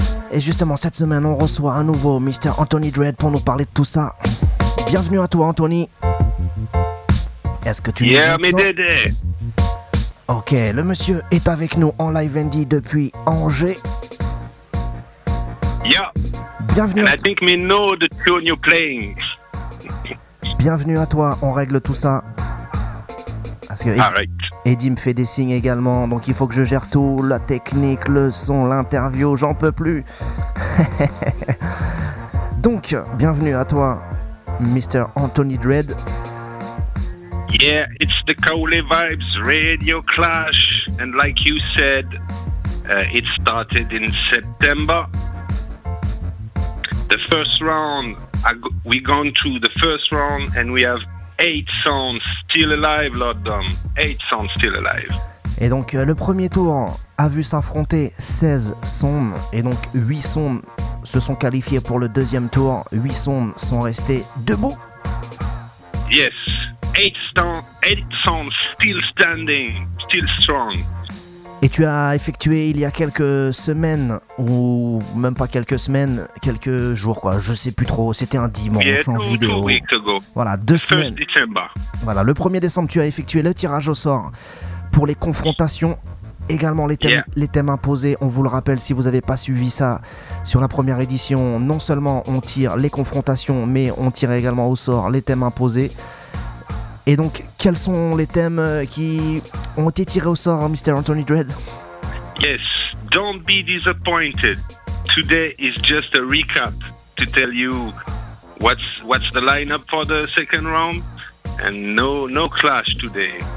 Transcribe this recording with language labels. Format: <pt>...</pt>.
<fr>Et justement cette semaine on reçoit à nouveau Mr. Anthony Dread pour nous parler de tout ça. Bienvenue à toi, Anthony. Est-ce que tu es là? Yeah, mes dédés. Ok, le monsieur est avec nous en live Andy depuis Angers.</fr> <en>Yeah.</en> <fr>Bienvenue.</fr> <en>And I think me know the tune you're playing.</en> <fr>Bienvenue à toi. On règle tout ça. Parce que Eddie me fait des signes également, donc il faut que je gère tout, la technique, le son, l'interview. J'en peux plus. Donc, bienvenue à toi. Mr. Anthony Dread.</fr> <en>Yeah, it's the Kaoulé Vibes Radio Clash. And like you said, it started in September. The first round, we've gone through the first round and we have 8 songs still alive, Lord Dom. 8 songs still alive.</en> <fr>Et donc, le premier tour a vu s'affronter 16 sons. Et donc, 8 sons se sont qualifiés pour le deuxième tour. 8 sons sont restés debout.</fr> <en>Yes. 8 sons still standing, still strong.</en> <fr>Et tu as effectué il y a quelques semaines, ou même pas quelques semaines, quelques jours, quoi. Je sais plus trop. C'était un dimanche en vidéo.</fr> <en>Two weeks ago.</en> <fr>Voilà, deux semaines.</fr> <en>First December.</en> <fr>Voilà, le 1er décembre, tu as effectué le tirage au sort. Pour les confrontations, également les thèmes imposés, on vous le rappelle si vous n'avez pas suivi ça sur la première édition, non seulement on tire les confrontations, mais on tire également au sort les thèmes imposés. Et donc, quels sont les thèmes qui ont été tirés au sort, Mr. Anthony Dread?</fr> <en>Yes, don't be disappointed. Today is just a recap to tell you what's the lineup for the second round. And no clash today.</en>